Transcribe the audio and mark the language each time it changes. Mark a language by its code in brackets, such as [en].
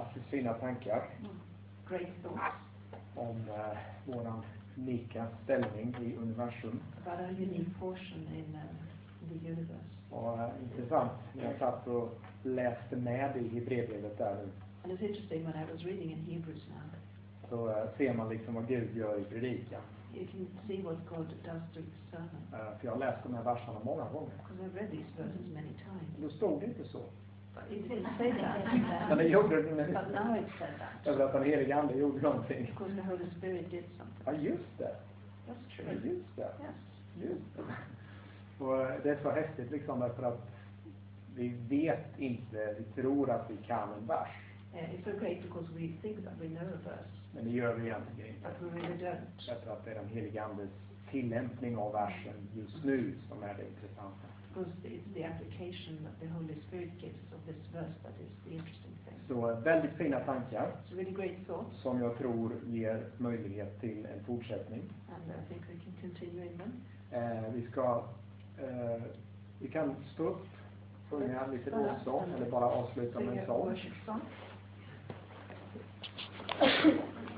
[sv] fina tankar. [en] Great thoughts. [sv] Om vår unika ställning i universum. [en] About our unique portion in the universe. [sv] Och intressant, när jag satt och läste med i Hebreerbrevet där nu. [en] And it's interesting when I was reading in Hebrews now. [sv] Så ser man liksom vad Gud gör i predikan. [en] You can see what God does through the sermon. [sv] För jag har läst de här verserna många gånger. [en] Because I've read these verses many times. [sv] Då stod det inte så. [en] It didn't say that. [sv] Men det gjorde det nu. [en] But now it said that. [sv] Eller att den helige ande gjorde någonting. [en] Because the Holy Spirit did something. [sv] Ja, just det. [en] That's true. [sv] Ja, just det. [en] Yes. [sv] Just det. Och det är så häftigt liksom därför att vi vet inte, vi tror att vi kan en vers. [en] It's so great because we think that we know a verse. [sv] Men det gör vi egentligen inte. [en] But we really don't. [sv] Därför att det är den helige andes tillämpning av versen just nu som är det intressanta. [en] Because it's the application that the Holy Spirit gives of this verse that is the interesting thing. [sv] Så väldigt fina tankar. [en] It's really great thoughts. [sv] Som jag tror ger möjlighet till en fortsättning. [en] And I think we can continue in them. [sv] Vi ska, vi kan stå upp, sjunga lite lovsång eller bara avsluta med en sång.